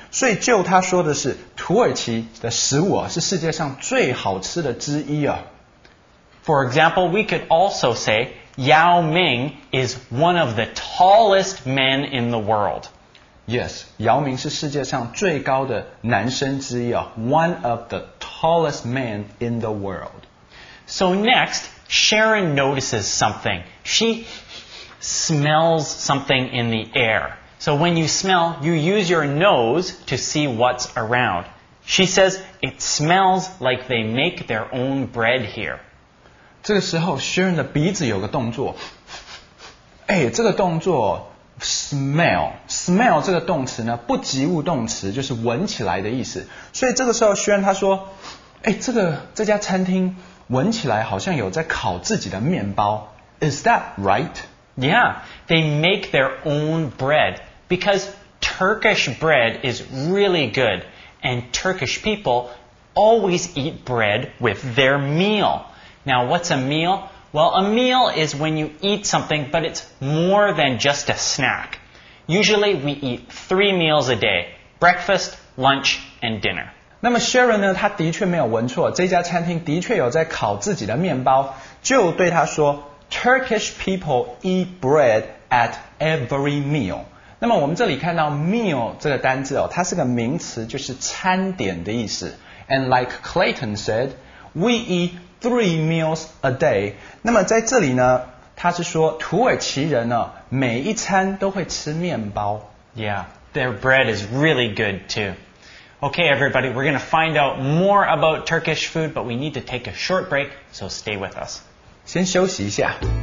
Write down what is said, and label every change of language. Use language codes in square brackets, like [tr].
[zh] 所以就他说的是土耳其的食物、啊、是世界上最好吃的之一、啊。 [en] For example, we could also say,Yao Ming is one of the tallest men in the world. Yes, [zh] 姚明是世界上最高的男生之一啊 [en] ，one of the tallest men in the world. So next, Sharon notices something. She smells something in the air. So when you smell, you use your nose to see what's around. She says it smells like they make their own bread here. [zh] 这个时候 ，Sharon 的鼻子有个动作。哎，这个动作。 Smell 这个动词呢，不及物动词，就是闻起来的意思。所以这个时候，轩他说，哎，这家餐厅闻起来好像有在烤自己的面包。 [en] Is that right? Yeah, they make their own bread because Turkish bread is really good, and Turkish people always eat bread with their meal. Now, what's a meal? Well, a meal is when you eat something, but it's more than just a snack. Usually, we eat three meals a day, breakfast, lunch, and dinner. [zh] 那么 Sharon 呢，她的确没有闻错，这家餐厅的确有在烤自己的面包，就对她说 , [en] Turkish people eat bread at every meal. [zh] 那么我们这里看到 meal 这个单字哦，它是个名词，就是餐点的意思。 [en] And like Clayton said, we eat three meals a day. [zh] 那么在这里呢，他是说土耳其人呢，每一餐都会吃面包。 [en] Yeah, their bread is really good too. Okay, everybody, we're going to find out more about Turkish food, but we need to take a short break, so stay with us. [zh] 先休息一下。